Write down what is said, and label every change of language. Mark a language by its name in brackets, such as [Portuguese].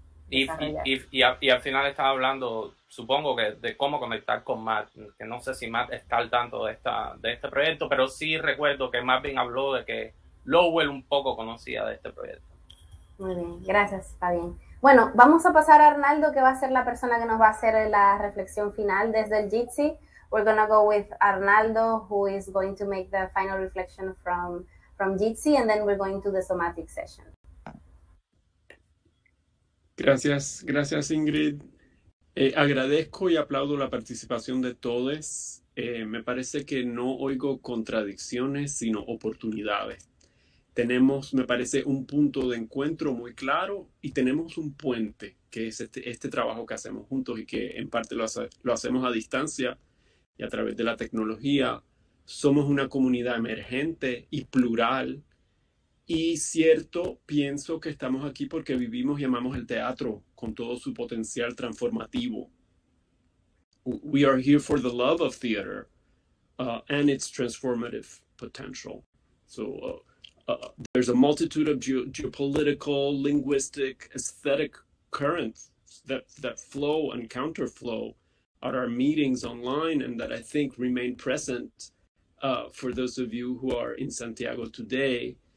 [Spanish] y al final estaba hablando, supongo, que de cómo conectar con Matt, que no sé si Matt está al tanto de esta de este proyecto, pero sí recuerdo que Marvin habló de que Lowell un poco conocía de este proyecto. Muy bien, gracias, está bien. Bueno, vamos a pasar a Arnaldo, que va a ser la persona que nos va a hacer la reflexión final desde el Jitsi. [English] We're going to go with Arnaldo, who is going to make the final reflection from Jitsi, and then we're going to the somatic session. [Spanish] Gracias, gracias Ingrid. Agradezco y aplaudo la participación de todos. Me parece que no oigo contradicciones, sino oportunidades. Tenemos, me parece, un punto de encuentro muy claro y tenemos un puente, que es este trabajo que hacemos juntos y que en parte lo hacemos a distancia y a través de la tecnología. Somos una comunidad emergente y plural. Y cierto, pienso que estamos aquí porque vivimos y amamos el teatro con todo su potencial transformativo. [English] We are here for the love of theater and its transformative potential. So there's a multitude of geopolitical, linguistic, aesthetic currents that flow and counterflow at our meetings online and that I think remain present for those of you who are in Santiago today.